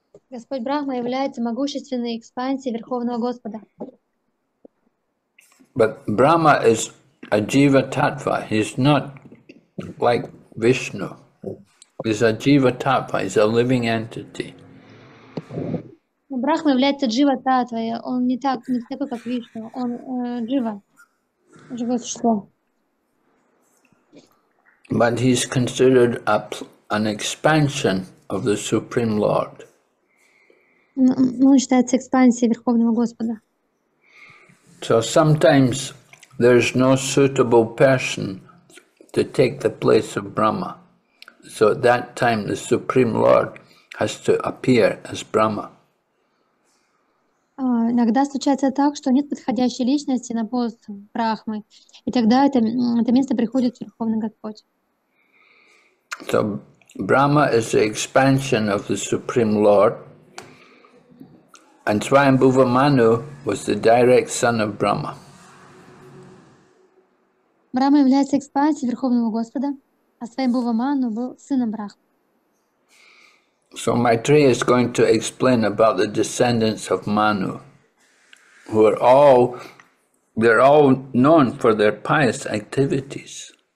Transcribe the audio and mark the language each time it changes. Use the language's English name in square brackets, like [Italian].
[Russian] Господь Брахма является могущественной экспансией Верховного Господа. [English] But Brahma is a jiva tattva. He's not like Vishnu. He's a jiva tattva. He's a living entity. [Russian] Брахма является джива таттвой. Он не так, не такой как Вишну. Он джива, живое существо. [English] But he's considered an expansion of the Supreme Lord. [Russian] Он считается экспансией Верховного Господа. [English] So sometimes there's no suitable person to take the place of Brahma. So at that time the Supreme Lord has to appear as Brahma. [Russian] Иногда случается так, что нет подходящей личности на пост Брахмы, и тогда это место приходит Верховный Господь. [English] So Brahma is the expansion of the Supreme Lord, and Swayambhuva Manu was the direct son of Brahma. [Russian] Брахма является экспансией Верховного Господа, а Свайамбхува Ману был сыном Брахмы. [English] So Maitreya is going to explain about the descendants of Manu, who are all, they're all known for their pious activities.